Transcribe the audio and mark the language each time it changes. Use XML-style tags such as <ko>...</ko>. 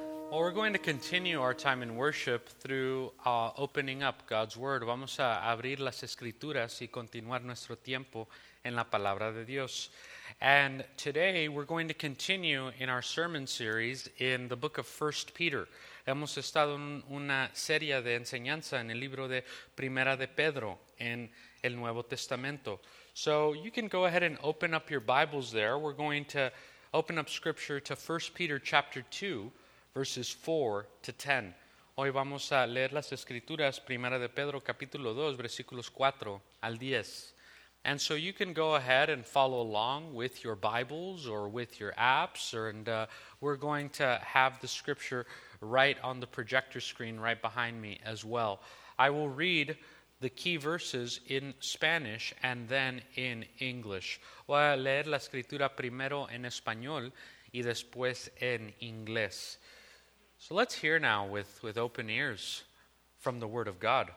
<en>Well, we're going to continue our time in worship through opening up God's Word.</en> <es>Vamos a abrir las Escrituras y continuar nuestro tiempo en la Palabra de Dios.</es> <en>And today, we're going to continue in our sermon series in the book of 1 Peter.</en> <es>Hemos estado en una serie de enseñanza en el libro de Primera de Pedro, en el Nuevo Testamento.</es> <en>So, you can go ahead and open up your Bibles there. We're going to open up Scripture to 1 Peter chapter 2, verses 4 to 10.</en> <es>Hoy vamos a leer las Escrituras, Primera de Pedro, capítulo 2, versículos 4 al 10.</es> <en>And so you can go ahead and follow along with your Bibles or with your apps, and we're going to have the Scripture right on the projector screen right behind me as well. I will read the key verses in Spanish and then in English.</en> <es>Voy a leer la escritura primero en español y después en inglés.</es> <en>So let's hear now with open ears from the Word of God.</en>